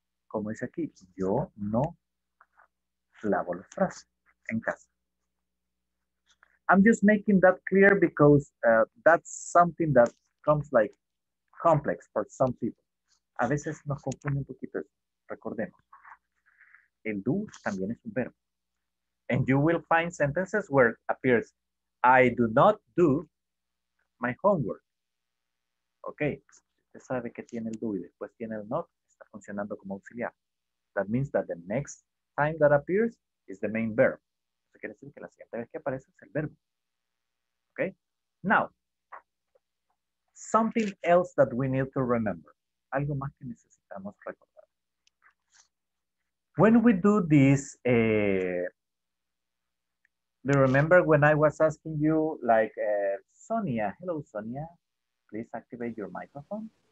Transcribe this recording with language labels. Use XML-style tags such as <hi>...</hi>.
<es>Como dice aquí, yo no lavo la frase en casa.</es> <en>I'm just making that clear because that's something that comes like complex for some people.</en> <es>A veces nos confunde un poquito. Recordemos. El do también es un verbo.</es> <en>And you will find sentences where it appears, I do not do my homework. Okay.</en> <es>Usted sabe que tiene el do y después tiene el not. Está funcionando como auxiliar.</es> <en>That means that the next time that appears is the main verb.</en> <es>Eso quiere decir que la siguiente vez que aparece es el verbo.</es> <en>Okay, now, something else that we need to remember.</en> <es>Algo más que necesitamos recordar.</es> <en>When we do this, do you remember when I was asking you, like, Sonia, hello, Sonia, please activate your microphone.</en>